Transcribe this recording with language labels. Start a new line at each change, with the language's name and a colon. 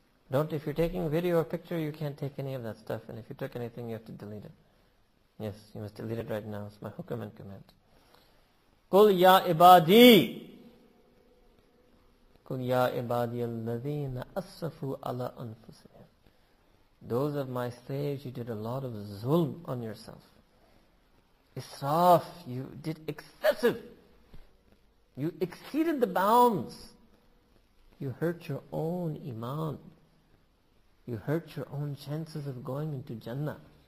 English: Don't, if you're taking video or picture you can't take any of that stuff, and if you took anything you have to delete it. Yes, you must delete it right now. It's my hukum and command.
Arabic: Qul ya ibadi, قُلْ يَا عِبَادِيَ الَّذِينَ أَصَّفُوا عَلَىٰ أَنفُسِهِمْ.
English: Those of my slaves, you did a lot of zulm on yourself. Israf, you did excessive. You exceeded the bounds. You hurt your own iman. You hurt your own chances of going into Jannah.